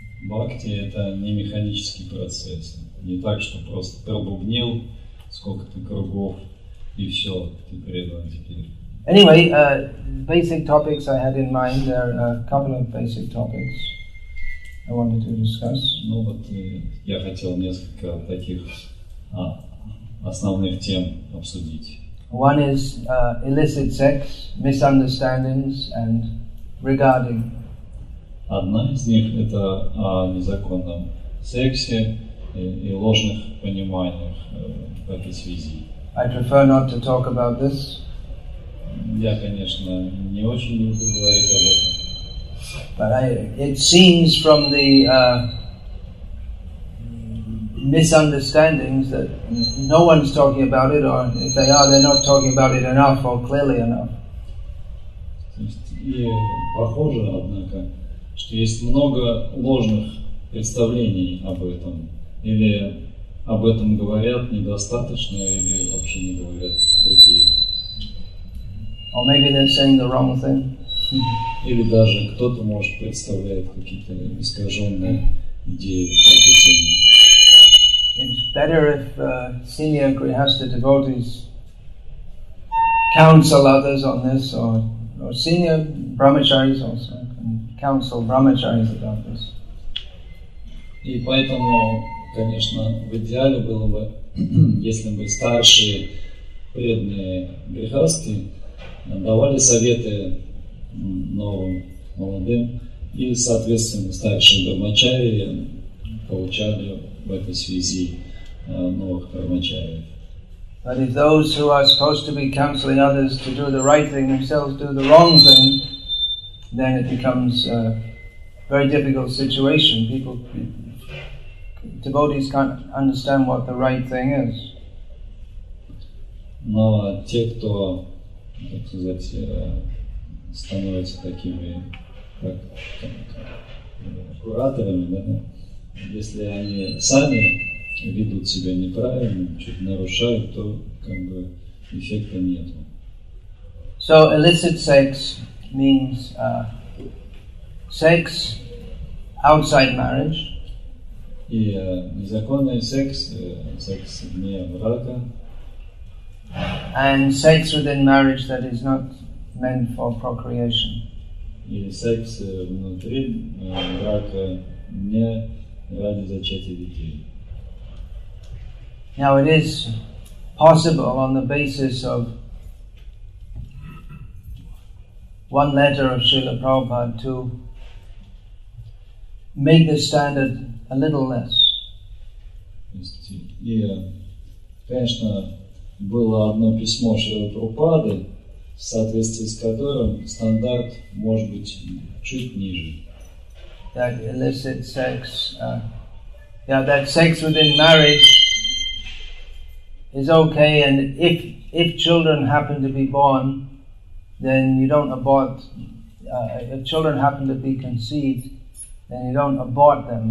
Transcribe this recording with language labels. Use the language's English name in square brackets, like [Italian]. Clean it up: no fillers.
[Russian] Бхакти – это не механический процесс, не так, что просто пробубнил сколько-то кругов и все, ты предан теперь. [English] Anyway, basic topics I had in mind, there are a couple of basic topics I wanted to discuss. [Russian] Ну вот я хотел несколько таких основных тем обсудить. [English] One is illicit sex, misunderstandings, and regarding. [Russian] Одна из них это о незаконном сексе и ложных пониманиях в этой связи. [English] I prefer not to talk about this. [Russian] Я, конечно, не очень люблю говорить об этом. [English] But it seems from the misunderstandings that no one's talking about it, or if they are, they're not talking about it enough or clearly enough. [Russian] И похоже, однако, что есть много ложных представлений об этом, или об этом говорят недостаточно, или вообще не говорят другие. [English] Or maybe they're saying the wrong thing. [Russian] Или даже кто-то может представляет какие-то искаженные идеи по этой теме. [English] It's better if senior grihastha devotees counsel others on this, or senior brahmacharis also can counsel brahmacharis about this. [Russian] И поэтому, конечно, в идеале было бы, если бы старшие преданные грихасты давали советы новым молодым, и, соответственно, старшие брахмачари получали в этой связи новых брахмачари. [English] But if those who are supposed to be counseling others to do the right thing themselves do the wrong thing, then it becomes a very difficult situation. People, devotees can't understand what the right thing is. [Russian] Но те, кто, так сказать, становятся такими, как кураторами, да? Если они сами ведут себя неправильно, что-то нарушают, то как бы эффекта нет. [English] So illicit sex means sex outside marriage. [Russian] И незаконный секс, секс вне брака. [English] And sex within marriage that is not meant for procreation. [Russian] И секс внутри брака не ради зачатия детей. [English] Now it is possible on the basis of one letter of Srila Prabhupada to make the standard a little less. [Russian] И, конечно, было одно письмо Шрилы Прабхупады, в соответствии с которым стандарт может быть чуть ниже. [English] That illicit sex, that sex within marriage is okay, and if children happen to be born, then you don't abort. If children happen to be conceived, then you don't abort them.